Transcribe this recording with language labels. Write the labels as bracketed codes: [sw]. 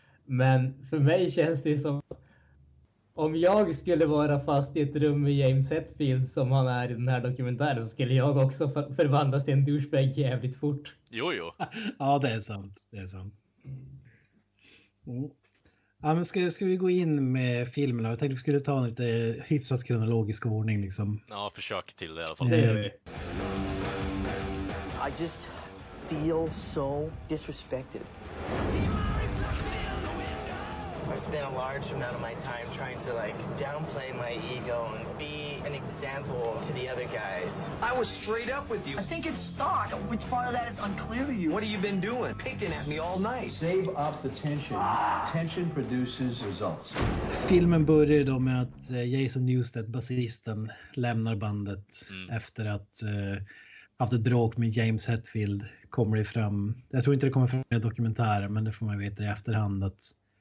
[sv] Men för mig känns det som att om jag skulle vara fast i ett rum med James Hetfield som han är i den här dokumentären, så skulle jag också förvandlas till en douchebag jävligt fort. Jo. Ja, det är sant. Det är sant. Mm. Ja, men ska vi gå in med filmerna? Jag tänkte att vi skulle ta en lite hyfsat kronologisk ordning. Liksom. Ja, försök till det i alla fall. Det gör vi. [en] I just feel so disrespected. I spent a large amount of my time trying to, like, downplay my ego and be an example to the other guys. I was straight up with you. I think it's stock. Which part of that is unclear to you? What have you been doing? Picking at me all night. Save up the tension. Tension produces results. [sv] Filmen börjar då med att Jason Newsted, basisten, lämnar bandet efter att haft ett bråk med James Hetfield. Kommer det fram? Jag tror inte det kommer fram i dokumentären, men det får man veta i efterhand att...